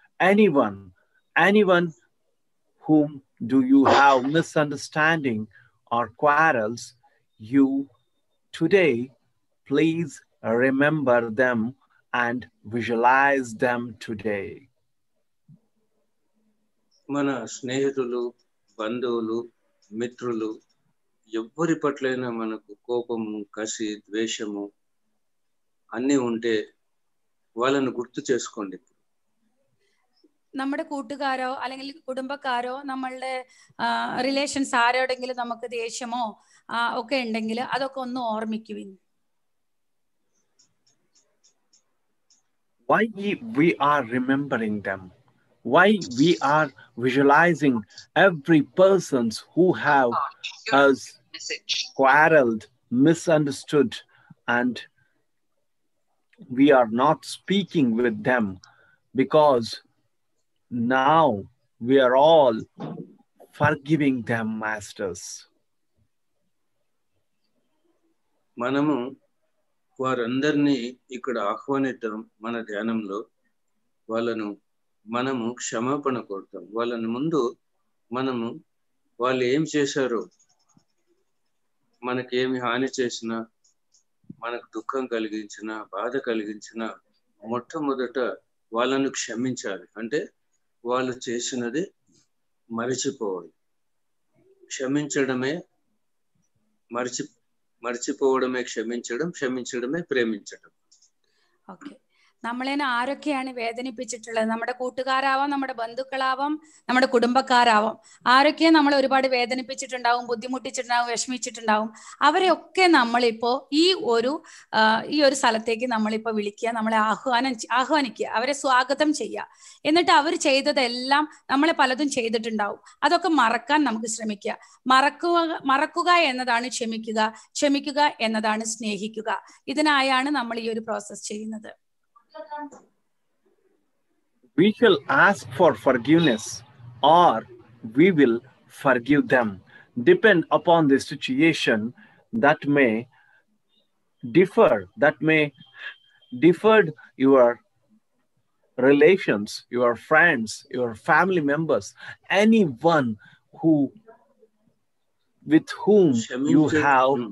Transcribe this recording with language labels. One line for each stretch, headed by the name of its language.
English: Anyone whom do you have misunderstanding or quarrels, you today, please remember them. And visualize them today.
Telugu: మన స్నేహితులు బంధువులు మిత్రులు ఎవ్వరి పట్లైనా మనకు కోపము కసి ద్వేషము అన్ని ఉంటే వాళ్ళని గుర్తు చేసుకోండి
Malayalam: നമ്മുടെ കൂട്ടുകാരോ അല്ലെങ്കിൽ കുടുംബക്കാരോ നമ്മളുടെ റിലേഷൻസ് ആരോടെങ്കിലും നമുക്ക് ദേഷ്യമോ ഒക്കെ ഉണ്ടെങ്കിൽ അതൊക്കെ ഒന്ന് ഓർമ്മിക്കുവിൻ
English: Why we are remembering them? Why we are visualizing every person who have us quarreled, misunderstood, and we are not speaking with them? Because now we are all forgiving them, masters.
Telugu: Manamu. వారందరినీ ఇక్కడ ఆహ్వానిద్దాం మన ధ్యానంలో వాళ్ళను మనము క్షమాపణ కోరుతాం వాళ్ళని ముందు మనము వాళ్ళు ఏం చేశారో మనకేమి హాని చేసినా మనకు దుఃఖం కలిగించినా బాధ కలిగించినా మొట్టమొదట వాళ్ళను క్షమించాలి అంటే వాళ్ళు చేసినది మరిచిపోవాలి క్షమించడమే
Malayalam: മരിച്ചുപോവടമേ ക്ഷമിച്ചടും ക്ഷമിച്ചടമേ പ്രേമിച്ചടും ഓക്കെ നമ്മളെന്നെ ആരൊക്കെയാണ് വേദനിപ്പിച്ചിട്ടുള്ളത് നമ്മുടെ കൂട്ടുകാരാവാം നമ്മുടെ ബന്ധുക്കളാവാം നമ്മുടെ കുടുംബക്കാരാവാം ആരൊക്കെ നമ്മളെ ഒരുപാട് വേദനിപ്പിച്ചിട്ടുണ്ടാവും ബുദ്ധിമുട്ടിച്ചിട്ടുണ്ടാവും വിഷമിച്ചിട്ടുണ്ടാവും അവരെയൊക്കെ നമ്മളിപ്പോ ഈ ഒരു സ്ഥലത്തേക്ക് നമ്മളിപ്പോ വിളിക്കുക നമ്മളെ ആഹ്വാനിക്കുക അവരെ സ്വാഗതം ചെയ്യുക എന്നിട്ട് അവർ ചെയ്തതെല്ലാം നമ്മളെ പലതും ചെയ്തിട്ടുണ്ടാവും അതൊക്കെ മറക്കാൻ നമുക്ക് ശ്രമിക്കുക മറക്കുക എന്നതാണ് ക്ഷമിക്കുക ക്ഷമിക്കുക എന്നതാണ് സ്നേഹിക്കുക ഇതിനായാണ് നമ്മൾ ഈ ഒരു പ്രോസസ്സ് ചെയ്യുന്നത്
English: we shall ask for forgiveness or we will forgive them. Depend upon the situation that may differ, that may differed your relations, your friends, your family members, anyone who with whom you have